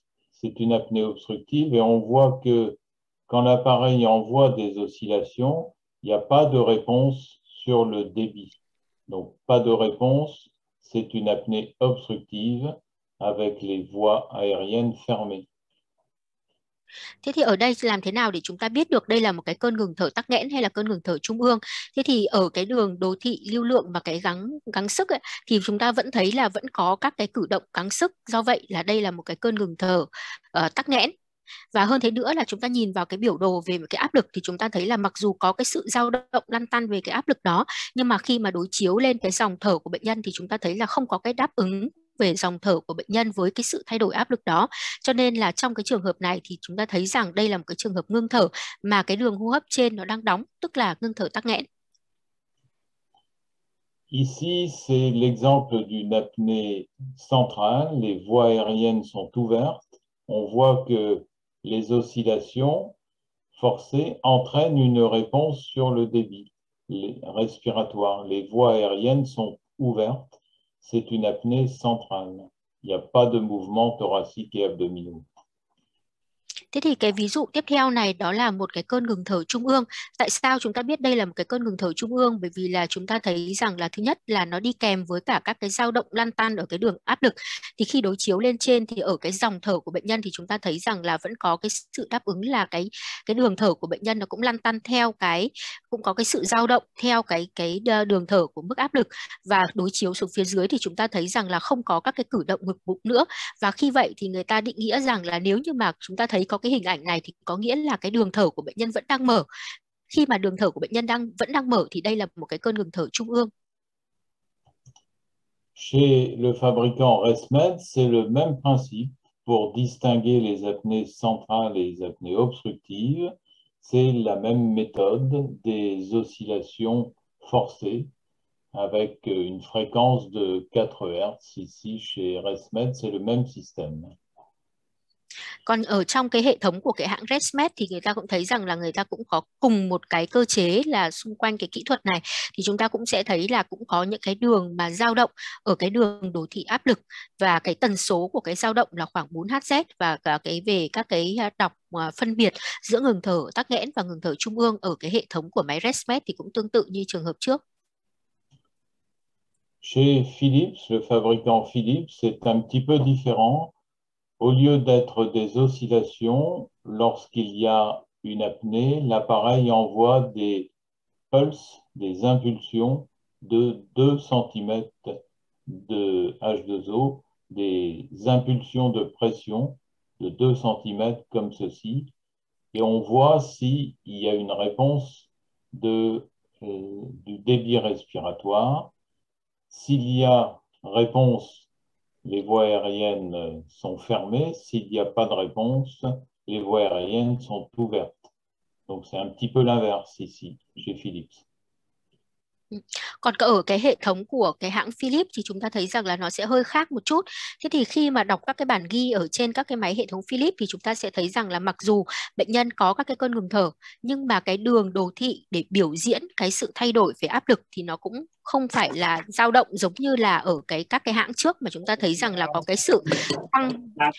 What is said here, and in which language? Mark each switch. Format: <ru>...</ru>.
<fr>C'est une apnée obstructive et on voit que quand l'appareil envoie des oscillations, il n'y a pas de réponse sur le débit. Donc, pas de réponse, c'est une apnée obstructive avec les voies aériennes fermées.</fr> <vi>Thế thì ở đây làm thế nào để chúng ta biết được đây là một cái cơn ngừng thở tắc nghẽn hay là cơn ngừng thở trung ương? Thế thì ở cái đường đồ thị lưu lượng và cái gắng gắng sức ấy, thì chúng ta vẫn thấy là vẫn có các cái cử động gắng sức, do vậy là đây là một cái cơn ngừng thở tắc nghẽn. Và hơn thế nữa là chúng ta nhìn vào cái biểu đồ về cái áp lực thì chúng ta thấy là mặc dù có cái sự dao động lăn tăn về cái áp lực đó, nhưng mà khi mà đối chiếu lên cái dòng thở của bệnh nhân thì chúng ta thấy là không có cái đáp ứng về dòng thở của bệnh nhân với cái sự thay đổi áp lực đó. Cho nên là trong cái trường hợp này thì chúng ta thấy rằng đây là một cái trường hợp ngưng thở mà cái đường hô hấp trên nó đang đóng, tức là ngưng thở tắc nghẽn.</vi> <fr>Ici, c'est l'exemple d'une apnée centrale. Les voies aériennes sont ouvertes. On voit que les oscillations forcées entraînent une réponse sur le débit respiratoire. Les voies aériennes sont ouvertes. C'est une apnée centrale. Il n'y a pas de mouvement thoracique et abdominaux.</fr> <vi>Thế thì cái ví dụ tiếp theo này đó là một cái cơn ngừng thở trung ương. Tại sao chúng ta biết đây là một cái cơn ngừng thở trung ương? Bởi vì là chúng ta thấy rằng là thứ nhất là nó đi kèm với cả các cái dao động lăn tăn ở cái đường áp lực. Thì khi đối chiếu lên trên thì ở cái dòng thở của bệnh nhân thì chúng ta thấy rằng là vẫn có cái sự đáp ứng là cái đường thở của bệnh nhân nó cũng lăn tăn theo cái, cũng có cái sự dao động theo cái đường thở của mức áp lực. Và đối chiếu xuống phía dưới thì chúng ta thấy rằng là không có các cái cử động ngực bụng nữa. Và khi vậy thì người ta định nghĩa rằng là nếu như mà chúng ta thấy có cái hình ảnh này thì có nghĩa là cái đường thở của bệnh nhân vẫn đang mở. Khi mà đường thở của bệnh nhân vẫn đang mở thì đây là một cái cơn ngừng thở trung ương.</vi> <fr>Chez le fabricant ResMed, c'est le même principe pour distinguer les apnées centrales et les apnées obstructives. C'est la même méthode des oscillations forcées avec une fréquence de 4 Hz. Ici, chez ResMed, c'est le même système.</fr> <vi>Còn ở trong cái hệ thống của cái hãng ResMed thì người ta cũng thấy rằng là người ta cũng có cùng một cái cơ chế là xung quanh cái kỹ thuật này, thì chúng ta cũng sẽ thấy là cũng có những cái đường mà dao động ở cái đường đồ thị áp lực và cái tần số của cái dao động là khoảng 4 Hz, và cả cái về các cái đọc phân biệt giữa ngừng thở tắc nghẽn và ngừng thở trung ương ở cái hệ thống của máy ResMed thì cũng tương tự như trường hợp trước.</vi> <fr>Chez Philips, le fabricant Philips, c'est un petit peu différent. Au lieu d'être des oscillations, lorsqu'il y a une apnée, l'appareil envoie des pulses, des impulsions de 2 cm de H2O, des impulsions de pression de 2 cm comme ceci, et on voit s'il y a une réponse de du débit respiratoire. S'il y a réponse, les voies aériennes sont fermées. S'il n'y a pas de réponse, les voies aériennes sont ouvertes. Donc c'est un petit peu l'inverse ici chez Philips.</fr> <vi>Còn ở cái hệ thống của cái hãng Philips thì chúng ta thấy rằng là nó sẽ hơi khác một chút. Thế thì khi mà đọc các cái bản ghi ở trên các cái máy hệ thống Philips thì chúng ta sẽ thấy rằng là mặc dù bệnh nhân có các cái cơn ngừng thở nhưng mà cái đường đồ thị để biểu diễn cái sự thay đổi về áp lực thì nó cũng không phải là dao động giống như là ở cái các cái hãng trước mà chúng ta thấy rằng là có cái sự tăng.</vi>